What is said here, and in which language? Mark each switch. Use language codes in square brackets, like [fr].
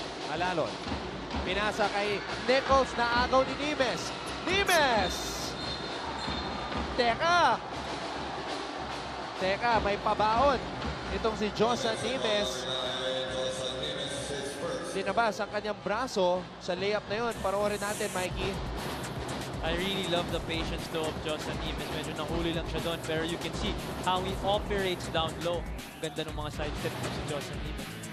[tl] Halalon, pinasa kay Nichols na agaw ni Nimes. Nimes! Teka! Teka, may pabaon. Itong si Jose Nimes. Dinabas ang kanyang braso sa layup na yun. Paroorin natin, Mikey. [en] I really love the patience though of Jose Nimes. [tl] Medyo nahuli lang siya doon. [en] Pero you can see how he operates down low. [tl] Ganda ng mga sidestep ng si Jose Nimes.